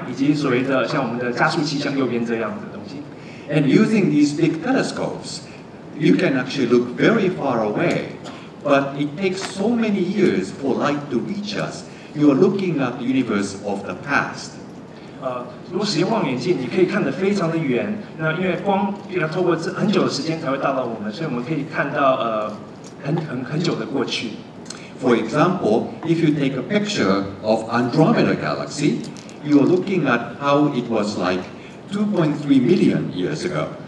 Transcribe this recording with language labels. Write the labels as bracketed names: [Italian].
[Chinese] 我们有一个所谓有像这样的一个望远镜的装备，像左边那样，以及所谓的像我们的加速器，像右边这样的东西。 [English] And using these big telescopes, you can actually look very far away. But it takes so many years for light to reach us. You are looking at the universe of the past. [Chinese] 如果使用望远镜，你可以看得非常的远。那因为光要透过很久的时间才会到达我们，所以我们可以看到很久的过去。 [English] For example, if you take a picture of Andromeda Galaxy, you are looking at how it was like 2.3 million years ago.